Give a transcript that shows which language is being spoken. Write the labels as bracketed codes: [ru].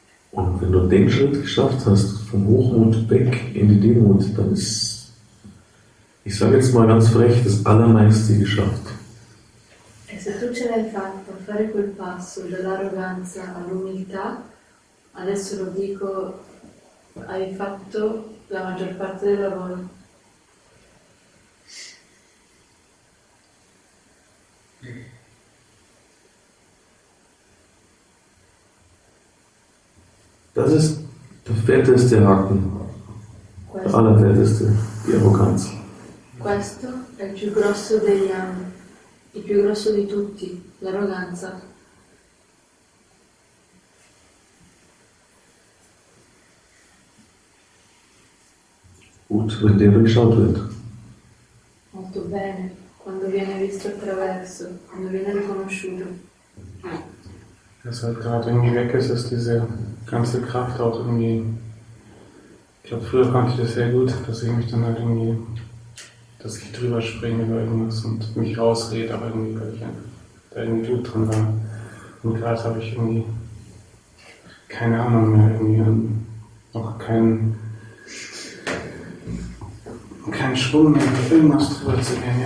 [de] Und wenn du den Schritt geschafft hast, vom Hochmut weg in die Demut, dann ist, ich sage jetzt mal ganz frech, das Allermeiste geschafft. [it] E se tu ce l'hai fatto, fare quel passo dall'arroganza all'umiltà, adesso lo dico, hai fatto la maggior parte del lavoro. [de] Das ist der fetteste Haken, [it] questo, [de] der allerfetteste, die Arroganz. [it] Questo è il più grosso degli anni, il più grosso di tutti, l'arroganza. [de] Gut, wenn der geschaut wird. [it] Molto bene, quando viene visto attraverso, quando viene riconosciuto. [de] Das halt gerade irgendwie weg ist, ist diese ganze Kraft auch irgendwie. Ich glaube, früher konnte ich das sehr gut, dass ich mich dann halt irgendwie, dass ich drüber springe oder irgendwas und mich rausrede, aber irgendwie, weil ich da irgendwie gut drin war. Und gerade habe ich irgendwie keine Ahnung mehr, irgendwie auch keinen Schwung mehr, irgendwas drüber zu gehen.